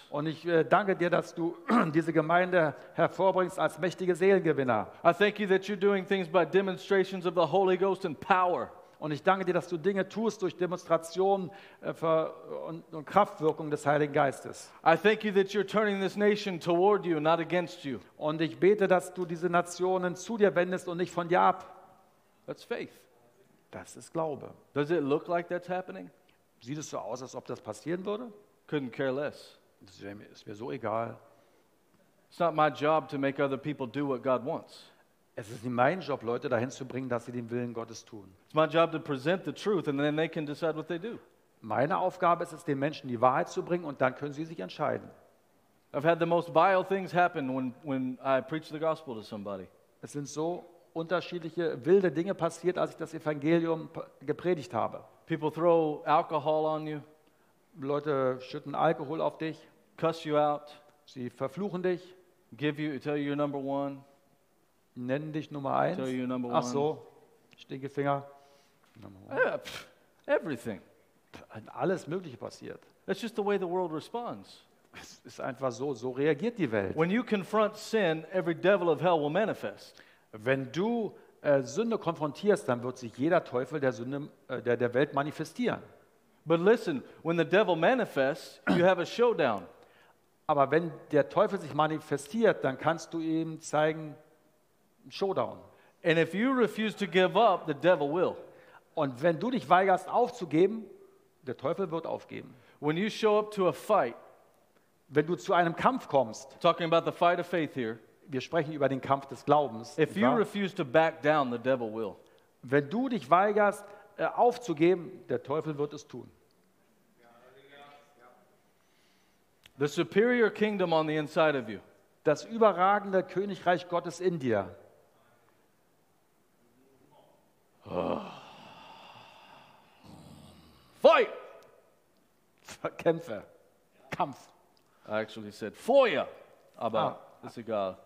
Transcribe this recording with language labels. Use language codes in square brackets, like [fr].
[de] Und ich danke dir, dass du diese Gemeinde hervorbringst als mächtige Seelengewinner. [en] I thank you that you're doing things by demonstrations of the Holy Ghost and power. [de] Und ich danke dir, dass du Dinge tust durch Demonstrationen und Kraftwirkung des Heiligen Geistes. [en] I thank you that you're turning this nation toward you, not against you. [de] Und ich bete, dass du diese Nationen zu dir wendest und nicht von dir ab. [en] That's faith. [de] Das ist Glaube. [en] Does it look like that's happening? [de] Sieht es so aus, als ob das passieren würde? [en] Couldn't care less. [de] Das ist mir so egal. [en] It's not my job to make other people do what God wants. [de] Es ist nicht mein Job, Leute dahin zu bringen, dass sie den Willen Gottes tun. [en] It's my job to present the truth and then they can decide what they do. [de] Meine Aufgabe ist es, den Menschen die Wahrheit zu bringen und dann können sie sich entscheiden. [en] I've had the most vile things happen when I preach the gospel to somebody. [de] Es sind so unterschiedliche wilde Dinge passiert, als ich das Evangelium gepredigt habe. [en] People throw alcohol on you. [de] Leute schütten Alkohol auf dich. [en] Cuss you out. [de] Sie verfluchen dich. [en] Give you, tell you you're number one. [de] Nennen dich Nummer eins. [en] Tell you number [de] one. Ach so, Stinkefinger. [en] Everything. [de] Alles Mögliche passiert. [en] It's just the way the world responds. [de] Es ist einfach so, so reagiert die Welt. [en] When you confront sin, every devil of hell will manifest. [de] Wenn du Sünde konfrontierst, dann wird sich jeder Teufel der Sünde der Welt manifestieren. [en] But listen, when the devil manifests, you have a showdown. [de] Aber wenn der Teufel sich manifestiert, dann kannst du ihm zeigen Showdown. [en] And if you refuse to give up, the devil will. [de] Und wenn du dich weigerst aufzugeben, der Teufel wird aufgeben. [en] When you show up to a fight, [de] wenn du zu einem Kampf kommst, [en] talking about the fight of faith here, [de] wir sprechen über den Kampf des Glaubens. [en] If you refuse to back down, the devil will. [de] Wenn du dich weigerst aufzugeben, der Teufel wird es tun. [en] The superior kingdom on the inside of you. [de] Das überragende Königreich Gottes in dir. Feuer! Kämpfe. Kampf. [en] I actually said Feuer, [de] aber ist egal.